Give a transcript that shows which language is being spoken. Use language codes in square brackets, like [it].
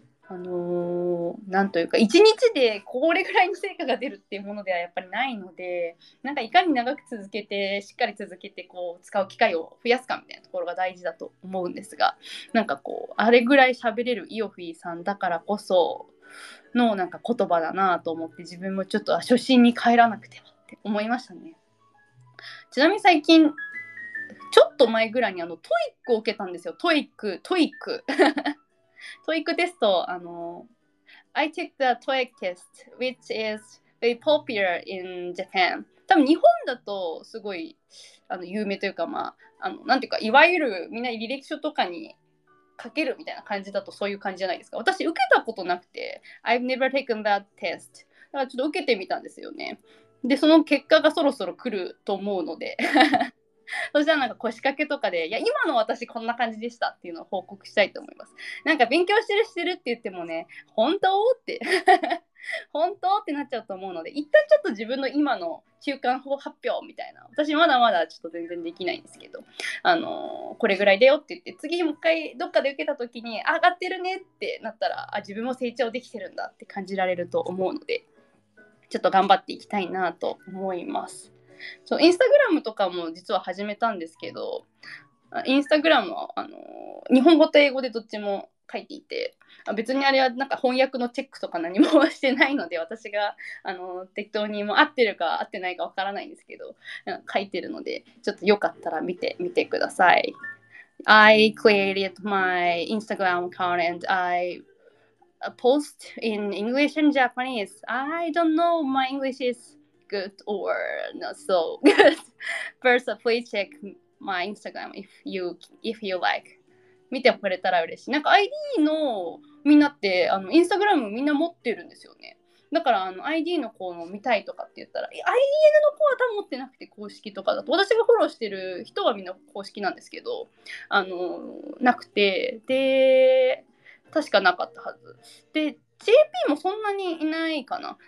[ja] なんというか、1日でこれぐらいの成果が出るっていうものではやっぱりないので、なんかいかに長く続けて、しっかり続けて、こう、使う機会を増やすかみたいなところが大事だと思うんですが、なんかこう、あれぐらい喋れるイオフィーさんだからこその、なんか言葉だなと思って、自分もちょっと初心に帰らなくてはって思いましたね。ちなみに最近、ちょっと前ぐらいにトイックを受けたんですよ。トイック。 [en] トイックテスト、I took the TOEIC test, which is very popular in Japan. [ja] 多分日本だとすごい有名というか、まあ、なんていうか、いわゆるみんな履歴書とかに書けるみたいな感じだとそういう感じじゃないですか。私受けたことなくて、 [en] I've never taken that test. [ja] だからちょっと受けてみたんですよね。で、その結果がそろそろ来ると思うので。そしたらなんか腰掛けとかで、いや今の私こんな感じでしたっていうのを報告したいと思います。なんか勉強してるって言ってもね、本当って本当ってなっちゃうと思うので、一旦ちょっと自分の今の中間法発表みたいな、私まだまだちょっと全然できないんですけど、これぐらいだよって言って、次もう一回どっかで受けた時に上がってるねってなったら、あ、自分も成長できてるんだって感じられると思うので、ちょっと頑張っていきたいなと思います。そう、インスタグラムとかも実は始めたんですけど、インスタグラムは日本語と英語でどっちも書いていて、別にあれはなんか翻訳のチェックとか何もしてないので、私が適当にも合ってるか合ってないかわからないんですけど書いてるので、ちょっとよかったら見てみてください。 [en] I created my Instagram account and I post in English and Japanese. I don't know my English is good or not so good. First, please check my Instagram if you like. [ja] 見てくれたら嬉しい。なんか ID のみんなってインスタグラムみんな持ってるんですよね。だからID の子の見たいとかって言ったら、 IDN の子は多分持ってなくて、公式とかだと私がフォローしてる人はみんな公式なんですけど、なくて、で確かなかったはずで、 JP もそんなにいないかな。